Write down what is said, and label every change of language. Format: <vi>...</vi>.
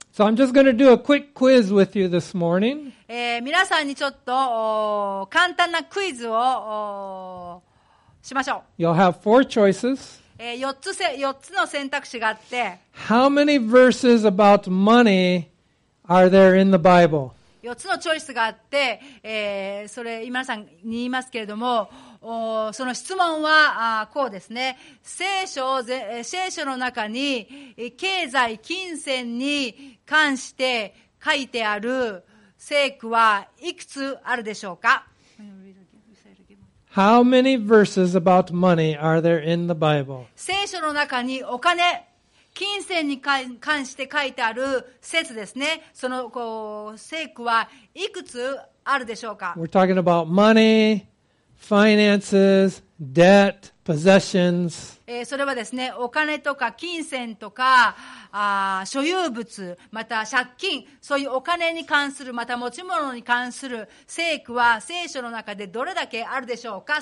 <en>So I'm just going to do a quick quiz with you this morning.</en> <ja>皆さんにちょっと簡単なクイズをしましょう。</ja> <en>You'll have four choices.</en> <ja>4つの選択肢があって</ja> <en>How many verses about money are there in the Bible?</en> <ja>4つのチョイスがあって、それ今さんに言いますけれどもその質問はこうですね聖書の中に経済金銭に関して書いてある聖句はいくつあるでしょうか</ja> <en>How many verses about money are there in the Bible?</en> <ja>聖書の中にお金、金銭に関して書いてある節ですね。その聖句はいくつあるでしょうか?</ja> <en>We're talking about money, finances, debt, possessions.</en> <ja>それはですね、お金とか金銭とか所有物、また借金、そういうお金に関する、また持ち物に関する聖句は聖書の中でどれだけあるでしょうか?</ja>